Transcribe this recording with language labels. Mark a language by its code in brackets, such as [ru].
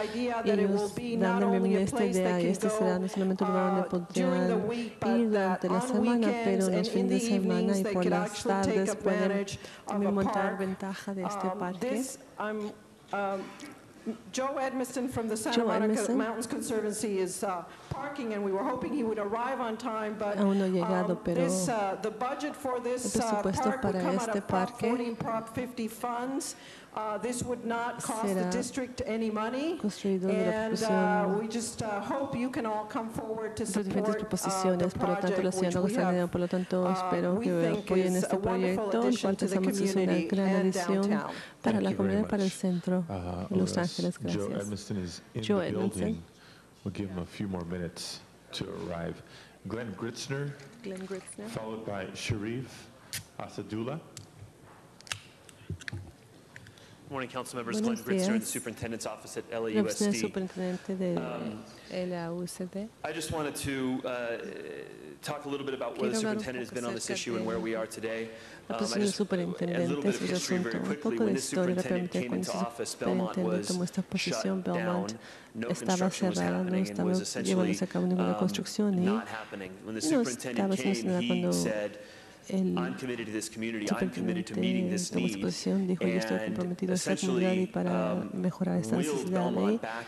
[es] Y ellos dan la bienvenida a esta idea. Este será no solamente un lugar donde podrían ir durante la semana, pero en los fines de semana y por las tardes pueden también montar ventaja de este parque. [en] Joe Edmiston from the Santa Monica Mountains Conservancy is parking, and we were hoping he would arrive on time, but the budget for this park would come out of Prop 40 and Prop 50 funds. This would not cost the district any money, and we just hope you can all come forward to support the project, which we have. We think it's a wonderful addition to the community and downtown. [es] Para la comunidad, para el centro, Los Ángeles, gracias. [en] Joe Edmiston is in the building. We'll give him a few more minutes to arrive. Glenn Gritzner, followed by Sharif Asadullah. Good morning, Council Members. Glenn Gritzner, the Superintendent's Office at LAUSD. I just wanted to talk a little bit about where the Superintendent has been on this issue and where we are today. I just want a little bit of history very quickly. When the Superintendent came into office, Belmont was shut down. [es] Belmont. No estaba cerrada, no estaba llevándose a cabo ninguna construcción. Y [en] when the Superintendent came, he said, I'm committed to this community, I'm committed to meeting this need, [es] posición, dijo, [en] and [es] estoy comprometido a esta comunidad y para mejorar esta necesidad de ahí.